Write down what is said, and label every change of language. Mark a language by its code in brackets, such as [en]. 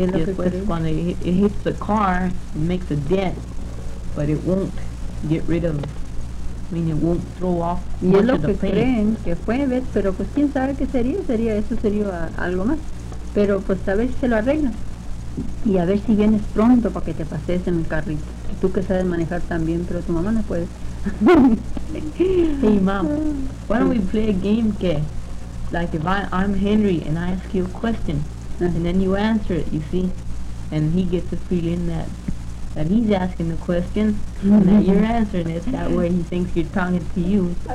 [es] después cuando [en] it hits the car, it makes a dent, but it won't get rid of it won't throw off. [es] Y es lo que creen que fue, ¿ves? Pero pues quién sabe qué sería, sería algo más, pero pues a ver si se lo arregla y a ver si vienes pronto para que te pases en el carrito. Tú que sabes manejar también, pero tu mamá no puede. [en] Hey mom, why don't we play a game, que like if I'm Henry and I ask you a question and then you answer it, you see, and he gets a feeling that he's asking the question and that you're answering it, that way he thinks you're talking to you.